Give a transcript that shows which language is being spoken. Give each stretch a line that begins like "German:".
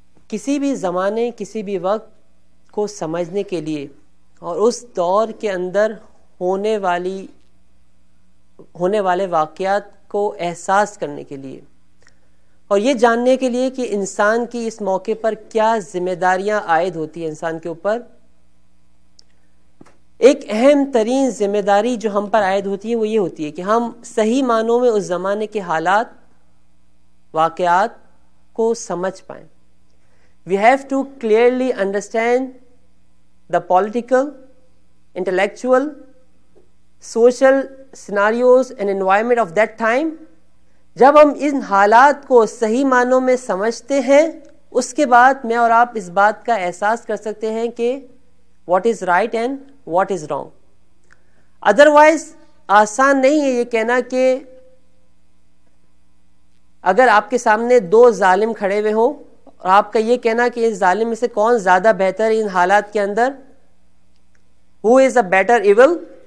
Hindi: किसी भी ज़माने किसी भी वक्त को समझने के लिए और उस दौर के अंदर होने वाले वाक़ियात को एहसास करने के लिए और ये जानने के लिए कि इंसान की इस मौके पर क्या ज़िम्मेदारियाँ आयद होती हैं इंसान के ऊपर, एक अहम तरीन ज़िम्मेदारी जो हम पर आयद होती है वो ये होती है कि हम सही मानों में उस ज़माने के हालात वाक़ियात को समझ पाएँ.
English: We have to clearly understand the political, intellectual, social scenarios and environment of that time.
Hindi: जब हम इन हालात को सही मानों में समझते हैं, उसके बाद मैं और आप इस बात का एहसास कर सकते हैं कि
English: what is right and what is wrong.
Hindi: Otherwise, आसान नहीं है ये कहना कि अगर आपके सामने दो जालिम खड़े हुए हों और आपका ये कहना कि इस जालिम में से कौन ज्यादा बेहतर है इन हालात के अंदर,
English: who is a better evil,